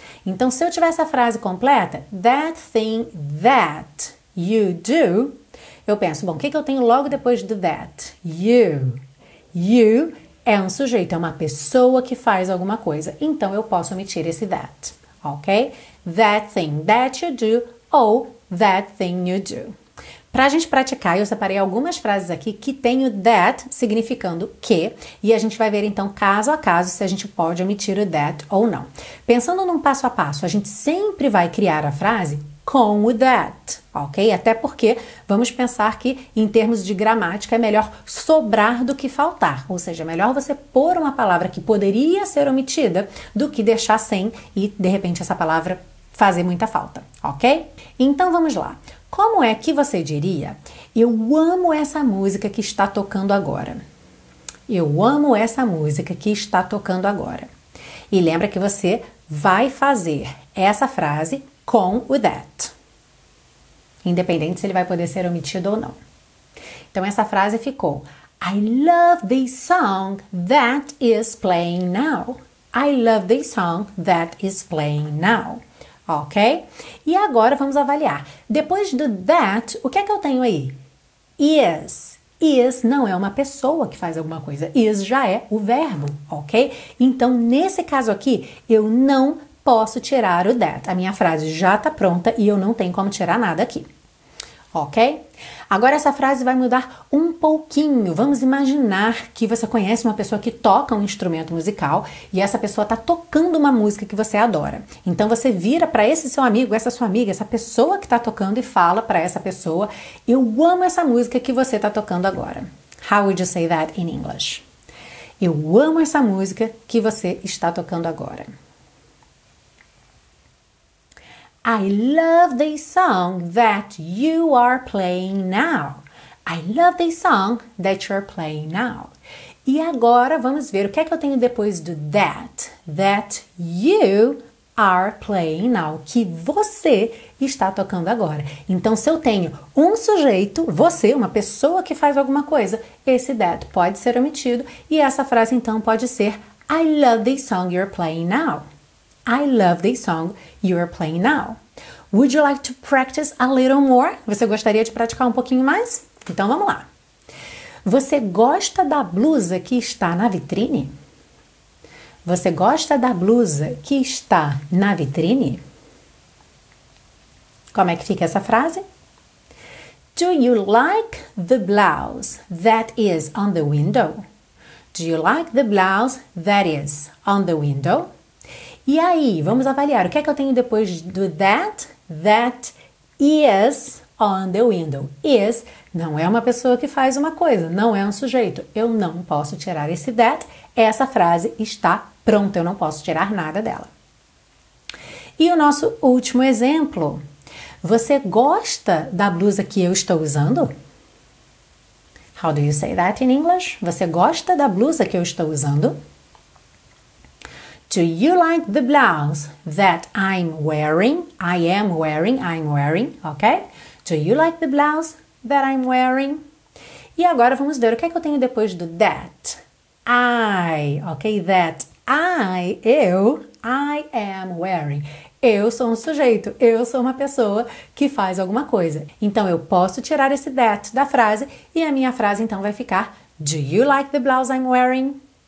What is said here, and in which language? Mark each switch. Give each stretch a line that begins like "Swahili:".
Portuguese: Então, se eu tiver essa frase completa,
English: that thing that you do,
Portuguese: eu penso, bom, o que eu tenho logo depois do that? You. You é um sujeito, é uma pessoa que faz alguma coisa. Então, eu posso omitir esse that, ok?
English: That thing that you do ou that thing you do.
Portuguese: Pra gente praticar, eu separei algumas frases aqui que tem o that significando que. E a gente vai ver, então, caso a caso, se a gente pode omitir o that ou não. Pensando num passo a passo, a gente sempre vai criar a frase com o that, ok? Até porque vamos pensar que, em termos de gramática, é melhor sobrar do que faltar. Ou seja, é melhor você pôr uma palavra que poderia ser omitida do que deixar sem e, de repente, essa palavra fazer muita falta, ok? Então, vamos lá. Como é que você diria, eu amo essa música que está tocando agora? Eu amo essa música que está tocando agora. E lembra que você vai fazer essa frase com o that. Independente se ele vai poder ser omitido ou não. Então, essa frase ficou,
English: I love this song that is playing now. I love this song that is playing now.
Portuguese: Ok? E agora vamos avaliar. Depois do that, o que é que eu tenho aí? Is. Is não é uma pessoa que faz alguma coisa. Is já é o verbo, ok? Então, nesse caso aqui, eu não posso tirar o that. A minha frase já está pronta e eu não tenho como tirar nada aqui. Ok? Agora essa frase vai mudar um pouquinho. Vamos imaginar que você conhece uma pessoa que toca um instrumento musical e essa pessoa está tocando uma música que você adora. Então você vira para esse seu amigo, essa sua amiga, essa pessoa que está tocando e fala para essa pessoa, eu amo essa música que você está tocando agora.
English: How would you say that in English?
Portuguese: Eu amo essa música que você está tocando agora.
English: I love the song that you are playing now. I love the song that you're playing now.
Portuguese: E agora vamos ver o que é que eu tenho depois do that.
English: That you are playing now.
Portuguese: Que você está tocando agora. Então, se eu tenho um sujeito, você, uma pessoa que faz alguma coisa, esse that pode ser omitido. E essa frase, então, pode ser
English: I love the song you're playing now. I love the song you're playing now. Would you like to practice a little more?
Portuguese: Você gostaria de praticar um pouquinho mais? Então, vamos lá. Você gosta da blusa que está na vitrine? Você gosta da blusa que está na vitrine? Como é que fica essa frase?
English: Do you like the blouse that is on the window? Do you like the blouse that is on the window?
Portuguese: E aí, vamos avaliar. O que é que eu tenho depois do that?
English: That is on the window.
Portuguese: Is não é uma pessoa que faz uma coisa, não é um sujeito. Eu não posso tirar esse that. Essa frase está pronta, eu não posso tirar nada dela. E o nosso último exemplo. Você gosta da blusa que eu estou usando?
English: How do you say that in English?
Portuguese: Você gosta da blusa que eu estou usando?
English: Do you like the blouse that I'm wearing? I am wearing, I'm wearing, ok? Do you like the blouse that I'm wearing?
Portuguese: E agora vamos ver o que é que eu tenho depois do that. I, ok?
English: That I, eu, I am wearing.
Portuguese: Eu sou um sujeito, eu sou uma pessoa que faz alguma coisa. Então, eu posso tirar esse that da frase e a minha frase, então, vai ficar
English: Do you like the blouse I'm wearing?